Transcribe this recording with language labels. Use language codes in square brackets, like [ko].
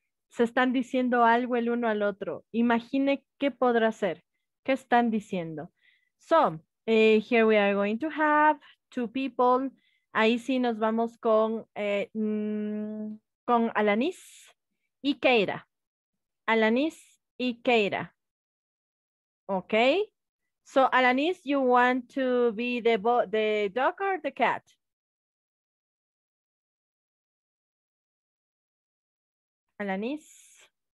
[es] Se están diciendo algo el uno al otro. Imagine qué podrá ser. ¿Qué están diciendo? [en] So, here we are going to have two people. [es] Ahí sí nos vamos con Alanis y Keira. Alanis y Keira. Okay. [en] So, Alanis, you want to be the dog or the cat? Alanis.